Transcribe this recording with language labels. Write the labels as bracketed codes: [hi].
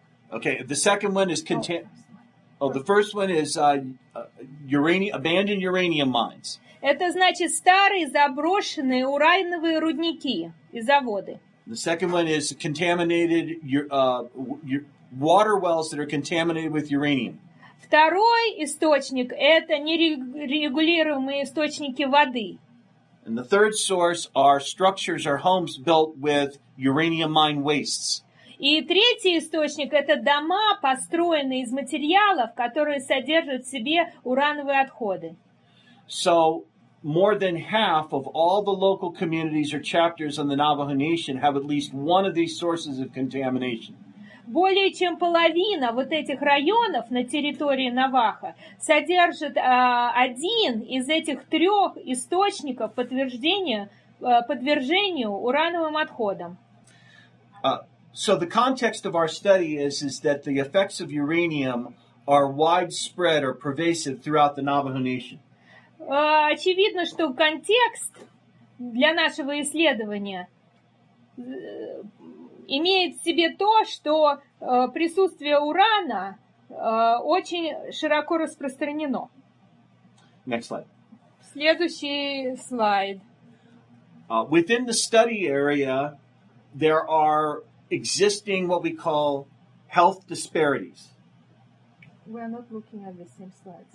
[en] Okay, the second one is the first one is abandoned uranium mines. [ru] Это значит старые заброшенные урановые рудники и заводы. [en] The second one is contaminated water wells that are contaminated with uranium. [ru] Второй источник это нерегулируемые источники воды. [en] And the third source are structures or homes built with uranium mine wastes. [ru] И третий источник – это дома, построенные из материалов, которые содержат в себе урановые отходы. [en] So, more than half of all the local communities or chapters on the Navajo Nation have at least one of these sources of contamination. [ru] Более чем половина вот этих районов на территории Наваха содержит один из этих трех источников подвержению урановым отходам. [en] So the context of our study is that the effects of uranium are widespread or pervasive throughout the Navajo Nation. [ru] Очевидно, что контекст для нашего исследования имеет в себе то, что присутствие урана очень широко распространено. [en] Next slide. [ru] Следующий слайд. [en] Within the study area, there are existing what we call health disparities. We're not looking at the same slides.